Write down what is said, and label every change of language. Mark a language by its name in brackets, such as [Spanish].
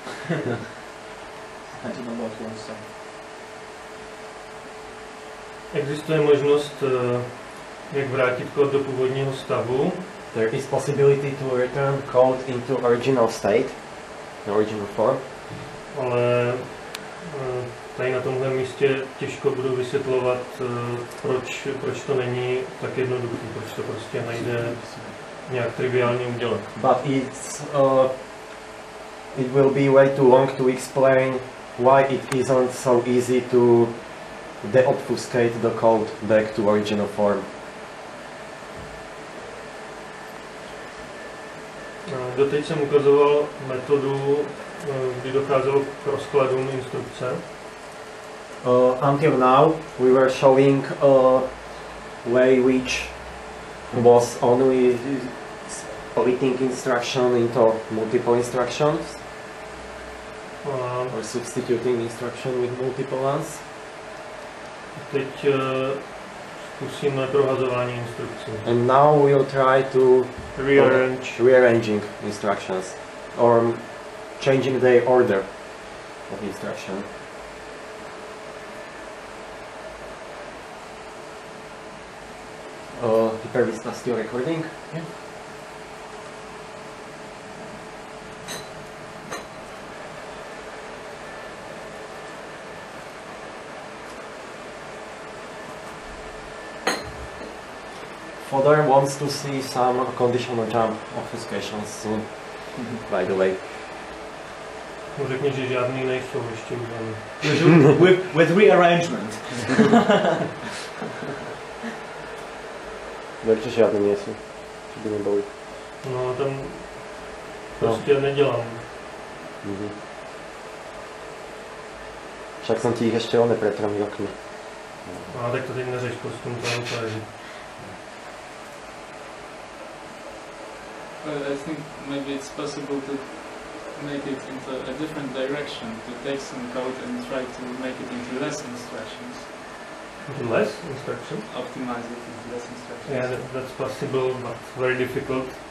[English] I don't know what you want to say. [Czech] Existuje možnost jak vrátit kód do původního stavu. [English] There is possibility to return code into original state, the original form. [Czech] Ale tady na tomhle místě těžko budu vysvětlovat, proč to není tak jednoduché, proč to prostě nejde nějak triviálně udělat. [English] But it's it will be way too long to explain why it isn't so easy to deobfuscate the code back to original form. [Czech] Doteď jsem ukazoval metodu, kdy docházelo k rozkladům instrukce. [English] Until now we were showing a way which was only splitting instruction into multiple instructions. Or substituting instruction with multiple ones. [Czech] Teď zkusíme provazování instrukce. [English] And now we'll try to rearrange. Rearranging instructions or changing the order of instruction. The permit is still recording. Yeah. Fodor wants to see some conditional jump obfuscations soon, by the way. [Czech] Řekni, že žádný nejsou ještě udělaný. [English] With rearrangement. [Czech] Takže žádný nejsou, že by nebyly. No, tam prostě nedělám. Však jsem ti jich ještě on nepretrmil okny. No, tak to teď neřeš, prostě tomu to neukáži. [English] Well, I think maybe it's possible to make it into a different direction, to take some code and try to make it into less instructions. Into less instructions? Optimize it into less instructions. Yeah, that's possible, but very difficult.